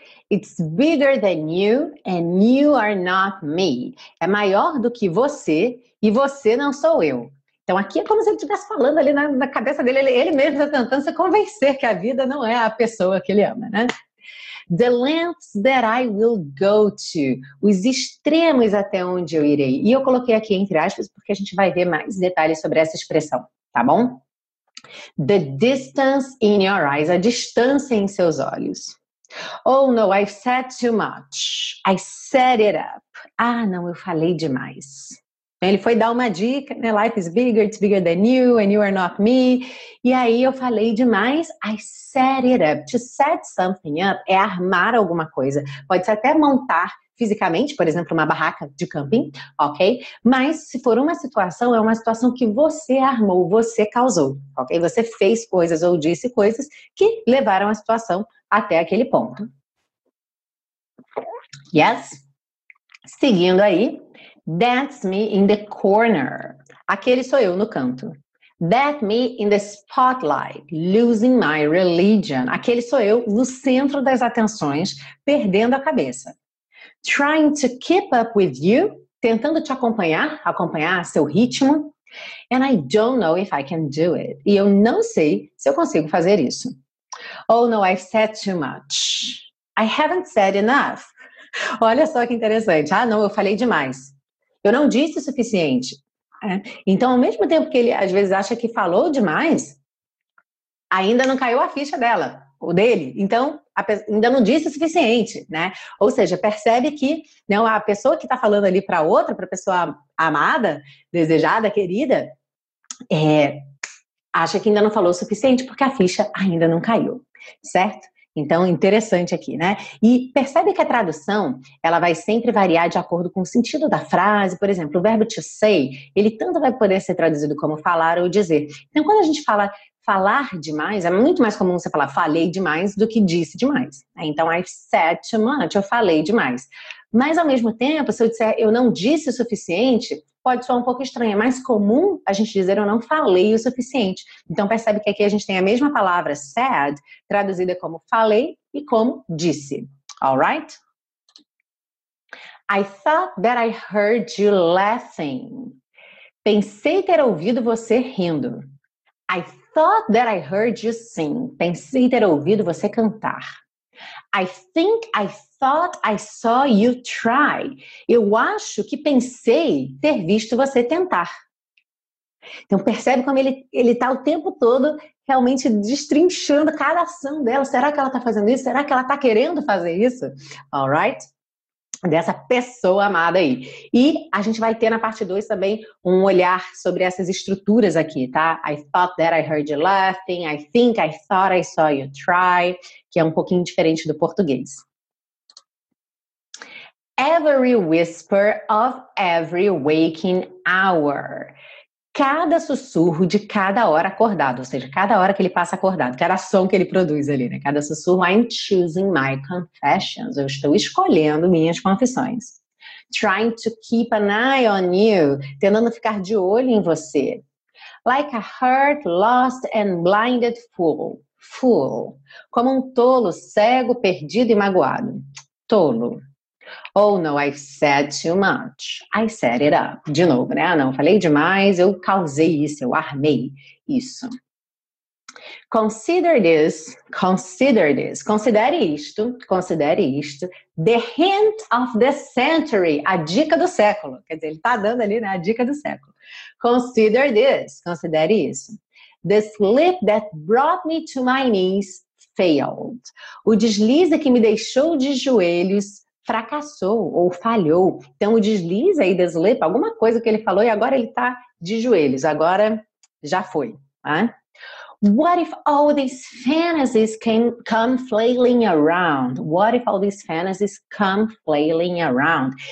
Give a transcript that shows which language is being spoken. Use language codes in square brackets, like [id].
[en] It's bigger than you and you are not me. [pt] É maior do que você... E você não sou eu. Então, aqui é como se ele estivesse falando ali na cabeça dele. Ele mesmo está tentando se convencer que a vida não é a pessoa que ele ama, né? [en] The lengths that I will go to. [pt] Os extremos até onde eu irei. E eu coloquei aqui entre aspas porque a gente vai ver mais detalhes sobre essa expressão, tá bom? [en] The distance in your eyes. [pt] A distância em seus olhos. [en] Oh, no, I've said too much. I set it up. [pt] Ah, não, eu falei demais. Ele foi dar uma dica, né? [en] Life is bigger, it's bigger than you, and you are not me. [pt] E aí eu falei demais, [en] I set it up. To set something up [pt] é armar alguma coisa. Pode ser até montar fisicamente, por exemplo, uma barraca de camping, ok? Mas se for uma situação, é uma situação que você armou, você causou, ok? Você fez coisas ou disse coisas que levaram a situação até aquele ponto. [en] Yes? [pt] Seguindo aí. [en] That's me in the corner. [pt] Aquele sou eu no canto. [en] That me in the spotlight, losing my religion. [pt] Aquele sou eu no centro das atenções, perdendo a cabeça. [en] Trying to keep up with you, [pt] tentando te acompanhar seu ritmo. [en] And I don't know if I can do it. [pt] E eu não sei se eu consigo fazer isso. [en] Oh no, I've said too much. I haven't said enough. [pt] Olha só que interessante. Ah não, eu falei demais. Eu não disse o suficiente. Né? Então, ao mesmo tempo que ele, às vezes, acha que falou demais, ainda não caiu a ficha dela, ou dele. Então, ainda não disse o suficiente, né? Ou seja, percebe que, né, a pessoa que está falando ali para outra, para a pessoa amada, desejada, querida, acha que ainda não falou o suficiente, porque a ficha ainda não caiu, certo? Então, interessante aqui, né? E percebe que a tradução, ela vai sempre variar de acordo com o sentido da frase. Por exemplo, o verbo to say, ele tanto vai poder ser traduzido como falar ou dizer. Então, quando a gente fala falar demais, é muito mais comum você falar falei demais do que disse demais. Então, [en] I've said too much, [pt] eu falei demais. Mas, ao mesmo tempo, se eu disser eu não disse o suficiente, pode soar um pouco estranho. É mais comum a gente dizer eu não falei o suficiente. Então, percebe que aqui a gente tem a mesma palavra said, traduzida como falei e como disse. [en] All right? I thought that I heard you laughing. [pt] Pensei ter ouvido você rindo. [en] I thought that I heard you sing. [pt] Pensei ter ouvido você cantar. [en] I think I thought I saw you try. [pt] Eu acho que pensei ter visto você tentar. Então percebe como ele está o tempo todo realmente destrinchando cada ação dela. Será que ela está fazendo isso? Será que ela está querendo fazer isso? [en] All right? [pt] Dessa pessoa amada aí. E a gente vai ter na parte 2 também um olhar sobre essas estruturas aqui, tá? [en] I thought that I heard you laughing. I think I thought I saw you try. [pt] Que é um pouquinho diferente do português. [en] Every whisper of every waking hour. [pt] Cada sussurro de cada hora acordado, ou seja, cada hora que ele passa acordado, cada som que ele produz ali, né? Cada sussurro, [en] I'm choosing my confessions. [pt] Eu estou escolhendo minhas confissões. [en] Trying to keep an eye on you. [pt] Tentando ficar de olho em você. [en] Like a hurt, lost and blinded fool. [pt] Fool. Como um tolo, cego, perdido e magoado. Tolo. [en] Oh, no, I've said too much. I set it up. [pt] De novo, né? Não, falei demais, eu causei isso, eu armei isso. [en] Consider this, consider this. [pt] Considere isto, [en] the hint of the century, [pt] a dica do século. Quer dizer, ele tá dando ali, né, a dica do século. [en] Consider this, [pt] considere isso. [en] The slip that brought me to my knees failed. [pt] O deslize que me deixou de joelhos fracassou ou falhou. Então, o deslize aí, [en] the slip, [pt] alguma coisa que ele falou e agora ele tá de joelhos. Agora, já foi. Né? [en] What if all these fantasies come flailing around? What if all these fantasies come flailing around?